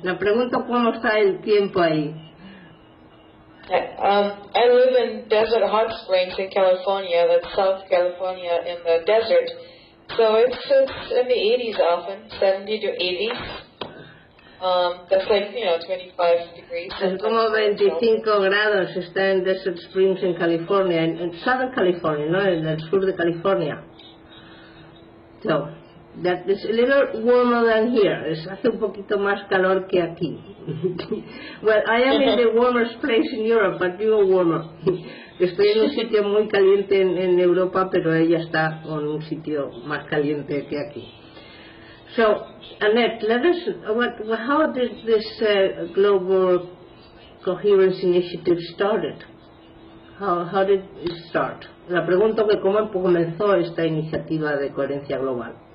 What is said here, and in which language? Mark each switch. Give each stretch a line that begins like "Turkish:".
Spanish: Me pregunto cómo está el tiempo ahí.
English: I live in Desert Hot Springs in California. That's South California in the desert. So it's in the 80s often, 70 to 80. That's like, you know, 25 degrees.
Spanish: Es como 25 grados, está en Desert Springs en California, en Southern California, ¿no? En el sur de California.
English: So, that is a little warmer than here.
Spanish: Es, hace un poquito más calor que aquí.
English: Well, I am in the warmest place in Europe, but you are warmer.
Spanish: Estoy en un sitio muy caliente en Europa, pero ella está en un sitio más caliente que aquí.
English: So, Annette, let us. How did this Global Coherence Initiative started? How did it start?
Spanish: La pregunta es cómo comenzó esta iniciativa de coherencia global.